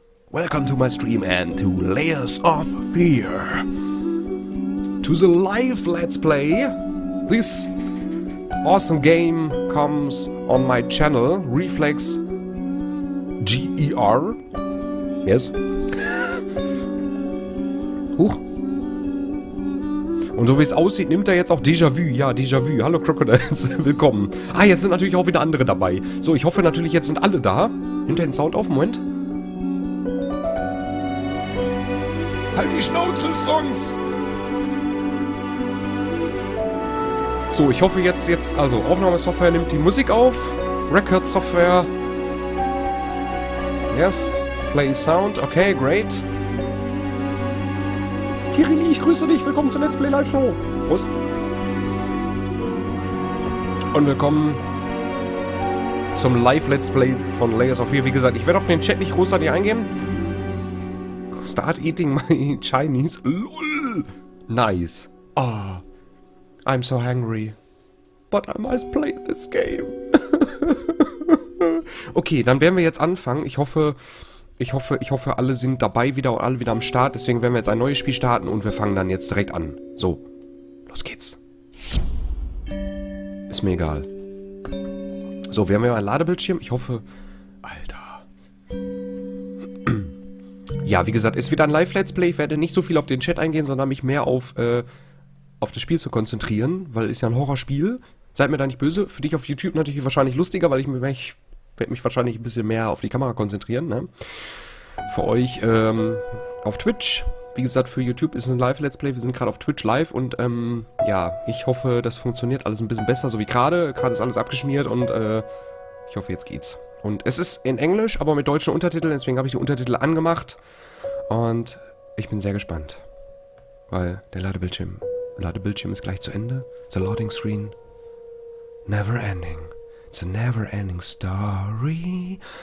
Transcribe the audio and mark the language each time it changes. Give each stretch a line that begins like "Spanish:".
English: Welcome to my stream and to Layers of Fear. To the live Let's Play. This awesome game comes on my channel, Reflex GER. Yes. Huch.
German: Und so wie es aussieht, nimmt er jetzt auch Déjà-vu. Ja, Déjà-vu. Hallo Crocodiles, willkommen. Ah, jetzt sind natürlich auch wieder andere dabei. So, ich hoffe natürlich, jetzt sind alle da. Nimmt er den Sound auf? Moment. Halt die Schnauze, Songs! So, ich hoffe jetzt, also Aufnahmesoftware nimmt die Musik auf.
English: Record Software. Yes. Play Sound. Okay, great.
German: Tirili, ich grüße dich. Willkommen zur Let's Play Live Show. Prost. Und willkommen zum Live Let's Play von Layers of Fear. Wie gesagt, ich werde auf den Chat nicht großartig eingehen.
English: Start eating my Chinese. LOL. Nice. Ah. Oh. I'm so hungry, but I must play this game.
German: Okay, dann werden wir jetzt anfangen. Ich hoffe, alle sind dabei wieder und alle wieder am Start. Deswegen werden wir jetzt ein neues Spiel starten und wir fangen dann jetzt direkt an. So, los geht's. Ist mir egal. So, wir haben ja mal einen Ladebildschirm. Ich hoffe, Alter. Ja, wie gesagt, ist wieder ein Live-Let's Play. Ich werde nicht so viel auf den Chat eingehen, sondern mich mehr auf das Spiel zu konzentrieren, weil es ist ja ein Horrorspiel. Seid mir da nicht böse. Für dich auf YouTube natürlich wahrscheinlich lustiger, weil ich werde mich wahrscheinlich ein bisschen mehr auf die Kamera konzentrieren, ne? Für euch auf Twitch. Wie gesagt, für YouTube ist es ein Live-Let's Play. Wir sind gerade auf Twitch live und ja, ich hoffe, das funktioniert alles ein bisschen besser, so wie gerade. Gerade ist alles abgeschmiert und ich hoffe, jetzt geht's. Und es ist in Englisch, aber mit deutschen Untertiteln. Deswegen habe ich die Untertitel angemacht und ich bin sehr gespannt, weil der Ladebildschirm. Ladebildschirm ist gleich zu Ende.
English: The loading screen. Never ending. It's a never ending story.